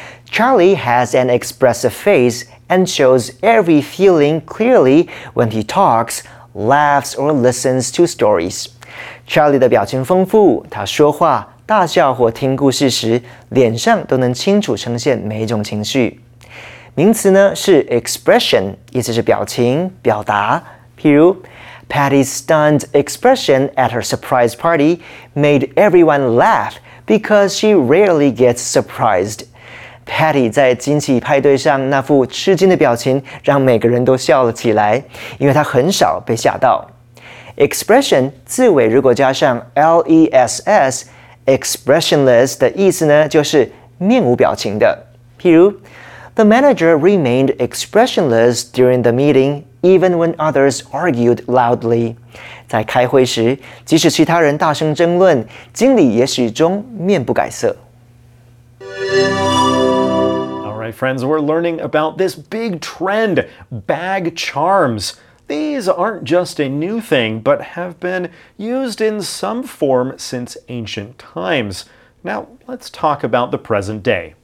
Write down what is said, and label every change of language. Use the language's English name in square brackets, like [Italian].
[English] Charlie has an expressive face and shows every feeling clearly when he talks, laughs, or listens to stories. [Chinese] Charlie 的表情丰富，他说话、大笑或听故事时，脸上都能清楚呈现每一种情绪。名词呢是 expression， 意思是表情、表达。 [English] 譬如 ，Patty's stunned expression at her surprise party made everyone laugh because she rarely gets surprised. [Chinese] Patty 在惊喜派对上那副吃惊的表情让每个人都笑了起来，因为她很少被吓到。 Expression 字尾如果加上 L-E-S-S, expressionless 的意思呢就是面无表情的。譬如 [English] The manager remained expressionless during the meeting even when others argued loudly. [Chinese] 在开会时，即使其他人大声争论，经理也始终面不改色。 [English] Alright, friends, we're learning about this big trend, bag charms. These aren't just a new thing, but have been used in some form since ancient times. Now, let's talk about the present day.